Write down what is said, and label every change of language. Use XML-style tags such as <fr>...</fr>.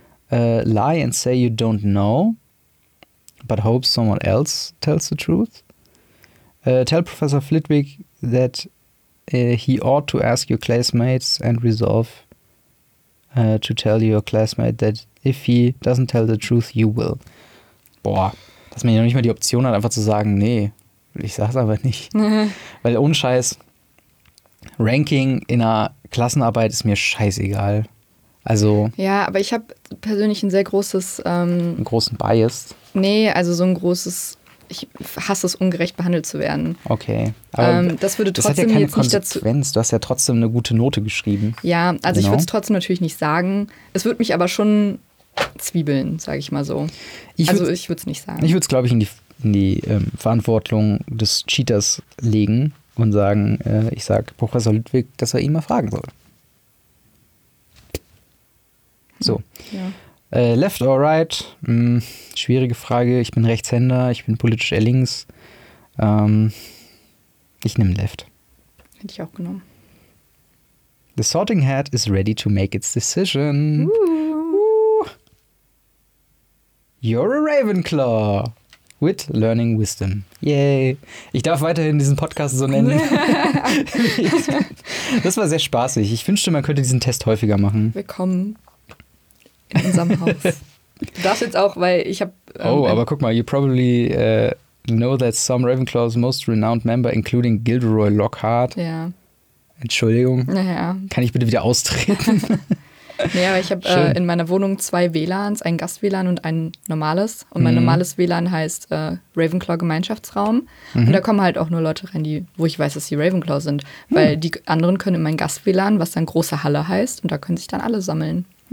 <en>Lie and say you don't know, but hope someone else tells the truth. Tell Professor Flitwick that he ought to ask your classmates and resolve to tell your classmate that if he doesn't tell the truth, you will.</en> <de>Boah. Dass man ja noch nicht mal die Option hat, einfach zu sagen, nee, ich sag's aber nicht. Weil ohne Scheiß, Ranking in einer Klassenarbeit ist mir scheißegal. Also. Ja, aber ich habe persönlich ein sehr großes... einen großen Bias? Nee, also so ein großes... Ich hasse es, ungerecht behandelt zu werden. Okay. Aber das würde trotzdem jetzt nicht dazu... Das hat ja keine Konsequenz. Du hast ja trotzdem eine gute Note geschrieben. Ja, also genau. Ich würde es trotzdem natürlich nicht sagen. Es würde mich aber schon... Zwiebeln, sage ich mal so. Ich würde es nicht sagen. Ich würde es, glaube ich, in die Verantwortung des Cheaters legen und sagen, ich sage Professor Ludwig, dass er ihn mal fragen soll. So. Ja.</de> <en>Left or right?</en> <de>Schwierige Frage. Ich bin Rechtshänder, ich bin politisch eher links. Ich nehme Left. Hätte ich auch genommen.</de> <en>The Sorting Hat is ready to make its decision. You're a Ravenclaw with learning wisdom. Yay.</en> <de>Ich darf weiterhin diesen Podcast so nennen. Das war sehr spaßig. Ich wünschte, man könnte diesen Test häufiger machen. Willkommen in unserem Haus. Du darfst jetzt auch, weil ich habe... Aber guck mal,</de> <en>you probably know that some Ravenclaw's most renowned member, including Gilderoy Lockhart.</en> <de>Ja. Entschuldigung. Naja. Kann ich bitte wieder austreten? Nee, aber ich habe in meiner Wohnung zwei WLANs, ein Gast-WLAN und ein normales. Und mein normales WLAN heißt Ravenclaw-Gemeinschaftsraum. Mhm. Und da kommen halt auch nur Leute rein, wo ich weiß, dass sie Ravenclaw sind. Mhm. Weil die anderen können in mein Gast-WLAN, was dann große Halle heißt. Und da können sich dann alle sammeln.</de>